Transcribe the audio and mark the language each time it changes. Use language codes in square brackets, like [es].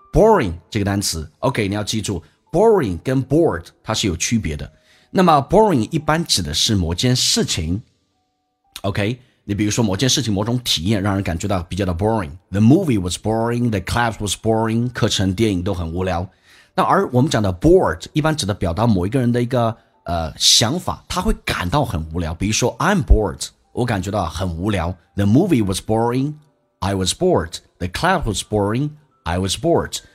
[zh] boring 这个单词， OK， 你要记住 boring 跟 bored 它是有区别的。那么 boring 一般指的是某件事情， OK， 你比如说某件事情某种体验让人感觉到比较的 boring。 [en] The movie was boring， The class was boring， [zh] 课程电影都很无聊。那而我们讲的 bored 一般指的表达某一个人的一个想法，他会感到很无聊。比如说 [en] I'm bored， [zh] 我感觉到很无聊。 [en] The movie was boring， I was bored， The class was boring， I was bored。